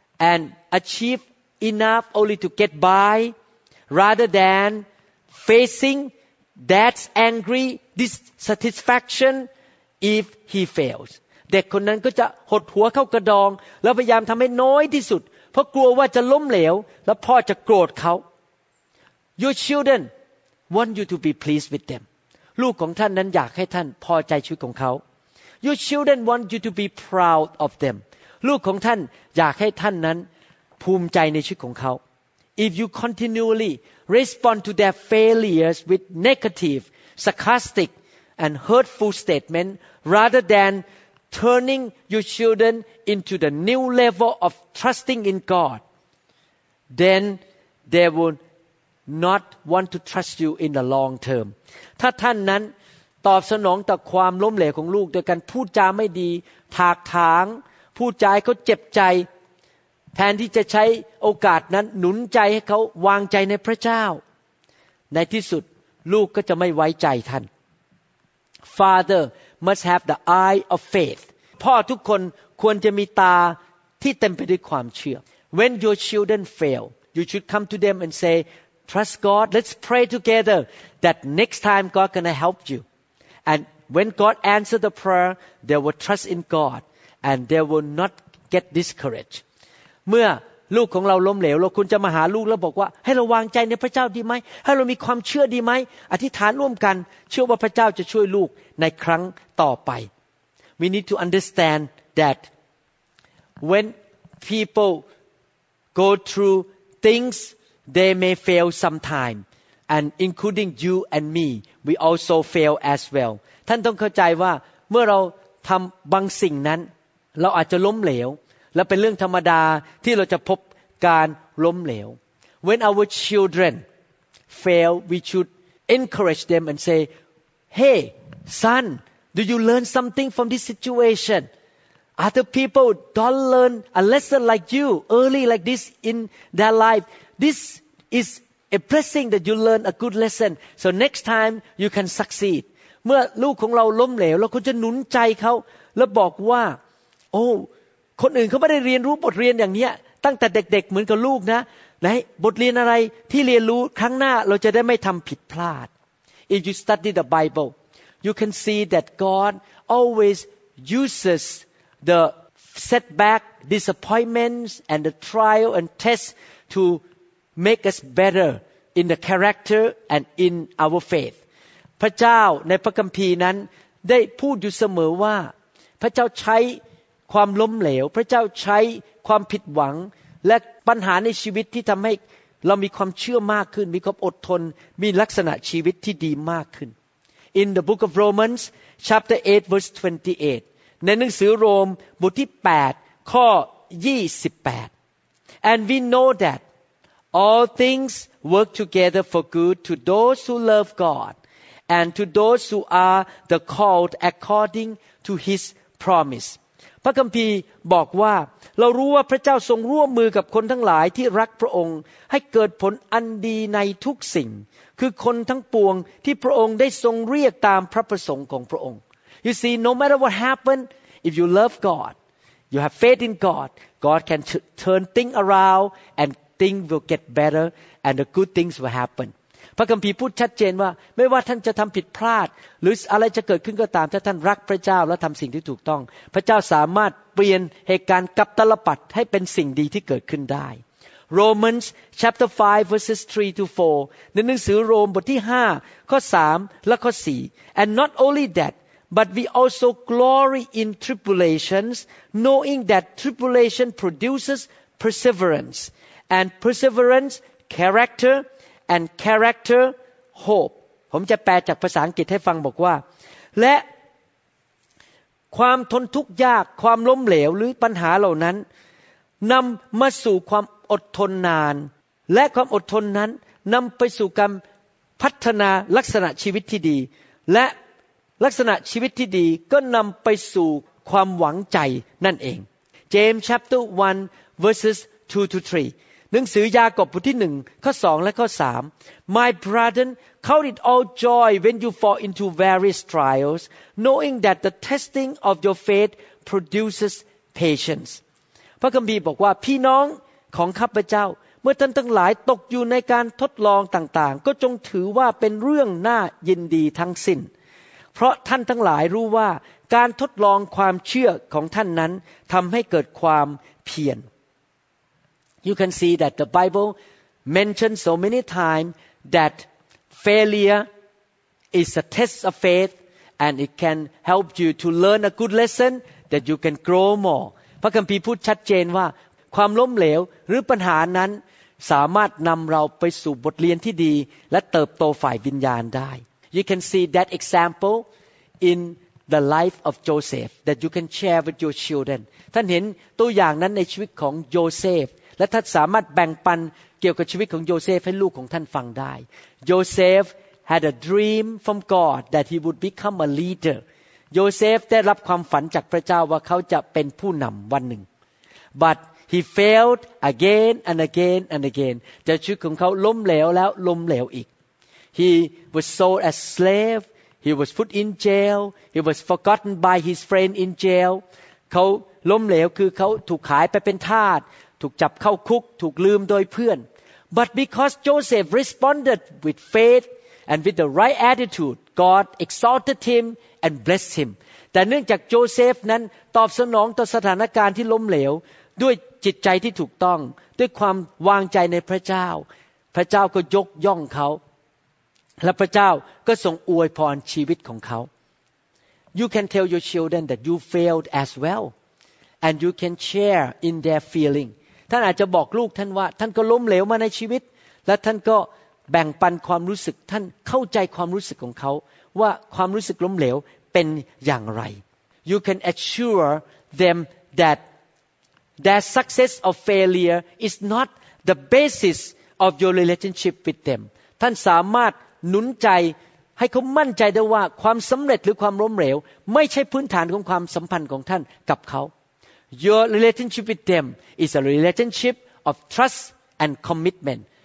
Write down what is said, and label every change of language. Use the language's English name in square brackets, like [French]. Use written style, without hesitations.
[English] and achieve enough only to get by rather than facing dad's angry dissatisfaction if he fails [Thai] เด็กคนนั้นก็จะหดหัวเข้ากระดองแล้วพยายามทำให้น้อยที่สุดเพราะกลัวว่าจะล้มเหลวแล้วพ่อจะโกรธเขา [English] Your childrenWant you to be pleased with them. [Thai] ลูกของท่านนั้นอยากให้ท่านพอใจชีวิตของเขา [English] Your children want you to be proud of them. [Thai] ลูกของท่านอยากให้ท่านนั้นภูมิใจในชีวิตของเขา [English] If you continually respond to their failures with negative, sarcastic, and hurtful statements rather than turning your children into the new level of trusting in God, then they will. Not want to trust you in the long term. [Thai] ถ้าท่านนั้นตอบสนองต่อความล้มเหลวของลูกโดยการพูดจาไม่ดีถากถางพูดจาให้เขาเจ็บใจแทนที่จะใช้โอกาสนั้นหนุนใจให้เขาวางใจในพระเจ้าในที่สุดลูกก็จะไม่ไว้ใจท่าน [English] Father must have the eye of faith. [Thai] พ่อทุกคนควรจะมีตาที่เต็มไปด้วยความเชื่อ [English] When your children fail, you should come to them and sayTrust God. Let's pray together that next time God is going to help you. And when God answers the prayer, they will trust in God and they will not get discouraged. [Thai] เมื่อลูกของเราล้มเหลวเราคุณจะมาหาลูกแล้วบอกว่าให้เราวางใจในพระเจ้าดีไหมให้เรามีความเชื่อดีไหมอธิษฐานร่วมกันเชื่อว่าพระเจ้าจะช่วยลูกในครั้งต่อไป [English] We need to understand that when people go through thingsThey may fail sometime, and including you and me, we also fail as well. [Thai] ท่านต้องเข้าใจว่าเมื่อเราทำบางสิ่งนั้นเราอาจจะล้มเหลวและเป็นเรื่องธรรมดาที่เราจะพบการล้มเหลว [English] When our children fail, we should encourage them and say, "Hey, son, do you learn something from this situation?" Other people don't learn a lesson like you early like this in their life. This is a blessing that you learn a good lesson. So next time you can succeed. [Thai] เมื่อลูกของเราล้มเหลวเราควรจะหนุนใจเขาแล้วบอกว่าโอ้คนอื่นเขาไม่ได้เรียนรู้บทเรียนอย่างนี้ตั้งแต่เด็กๆเหมือนกับลูกนะไหนบทเรียนอะไรที่เรียนรู้ครั้งหน้าเราจะได้ไม่ทำผิดพลาด [English] If you study the Bible, you can see that God always uses the setback, disappointments, and the trial and test to make us better in the character and in our faith. [Thai] พระเจ้าในพระคัมภีร์นั้นได้พูดอยู่เสมอว่าพระเจ้าใช้ความล้มเหลวพระเจ้าใช้ความผิดหวังและปัญหาในชีวิตที่ทำให้เรามีความเชื่อมากขึ้นมีความอดทนมีลักษณะชีวิตที่ดีมากขึ้น [English] In the book of Romans chapter 8 verse 28 [Thai] ในหนังสือโรมบทที่8ข้อ28 [English] And we know thatAll things work together for good to those who love God and to those who are the called according to His promise. [Thai] พระคัมภีร์บอกว่าเรารู้ว่าพระเจ้าทรงร่วมมือกับคนทั้งหลายที่รักพระองค์ให้เกิดผลอันดีในทุกสิ่งคือคนทั้งปวงที่พระองค์ได้ทรงเรียกตามพระประสงค์ของพระองค์ [English] You see, no matter what happened, if you love God, You have faith in God. God can turn things around and things will get better and the good things will happen. [Thai] พระคัมภีร์พูดชัดเจนว่าไม่ว่าท่านจะทำผิดพลาดหรืออะไรจะเกิดขึ้นก็ตามถ้าท่านรักพระเจ้าและทำสิ่งที่ถูกต้องพระเจ้าสามารถเปลี่ยนเหตุการณ์กับตลปัดให้เป็นสิ่งดีที่เกิดขึ้นได้ [English] Romans chapter 5 verses 3 to 4 [Thai] ในหนังสือโรมบทที่5ข้อ3และข้อ4 [English] And not only that but we also glory in tribulations knowing that tribulation produces perseverance and perseverance character and character hope [Thai] ผมจะแปลจากภาษาอังกฤษให้ฟังบอกว่าและความทนทุกข์ยากความล้มเหลวหรือปัญหาเหล่านั้นนำมาสู่ความอดทนนานและความอดทนนั้นนำไปสู่การพัฒนาลักษณะชีวิตที่ดีและลักษณะชีวิตที่ดีก็นำไปสู่ความหวังใจนั่นเอง [English] James chapter 1 verses 2 to 3 [Thai] หนังสือยากอบบทที่1ข้อ2และข้อ3 [English] My brethren, count it all joy when you fall into various trials knowing that the testing of your faith produces patience [Thai] พระคัมภีร์บอกว่าพี่น้องของข้าพเจ้าเมื่อท่านทั้งหลายตกอยู่ในการทดลองต่างๆก็จงถือว่าเป็นเรื่องน่ายินดีทั้งสิ้นเพราะท่านทั้งหลายรู้ว่าการทดลองความเชื่อของท่านนั้นทำให้เกิดความเพียร [English] You can see that the Bible mentions so many times that failure is a test of faith and it can help you to learn a good lesson that you can grow more [Thai] พระคัมภีร์พูดชัดเจนว่าความล้มเหลวหรือปัญหานั้นสามารถนำเราไปสู่บทเรียนที่ดีและเติบโตฝ่ายวิญญาณได้ [English] You can see that example in the life of Joseph that you can share with your children [Thai] ท่านเห็นตัวอย่างนั้นในชีวิตของโยเซฟและท่านสามารถแบ่งปันเกี่ยวกับชีวิตของโยเซฟให้ลูกของท่านฟังได้ [English] Joseph had a dream from God that he would become a leader [Thai] โยเซฟได้รับความฝันจากพระเจ้าว่าเขาจะเป็นผู้นำวันหนึ่ง [English] butHe failed again and again and again. [Thai] แต่ชีวิตของเขาล้มเหลวแล้วล้มเหลวอีก [English] He was sold as slave. He was put in jail. He was forgotten by his friend in jail. [Thai] เขาล้มเหลวคือเขาถูกขายไปเป็นทาสถูกจับเข้าคุกถูกลืมโดยเพื่อน [English] But because Joseph responded with faith and with the right attitude, God exalted him and blessed him. [Thai] แต่เนื่องจากโจเซฟนั้นตอบสนองต่อสถานการณ์ที่ล้มเหลวด้วยจิตใจที่ถูกต้องด้วยความวางใจในพระเจ้าพระเจ้าก็ยกย่องเขาและพระเจ้าก็ทรงอวยพรชีวิตของเขา [English] You can tell your children that you failed as well and you can share in their feeling [Thai] ท่านอาจจะบอกลูกท่านว่าท่านก็ล้มเหลวมาในชีวิตและท่านก็แบ่งปันความรู้สึกท่านเข้าใจความรู้สึกของเขาว่าความรู้สึกล้มเหลวเป็นอย่างไร [English] You can assure them thatThe success or failure is not the basis of your relationship with them. [Thai] ท่านสามารถหนุนใจให้เขามั่นใจได้ว่าความสำเร็จหรือความล้มเหลวไม่ใช่พื้นฐานของความสัมพันธ์ของท่านกับเขา [English] Your relationship with them is a relationship of trust and commitment.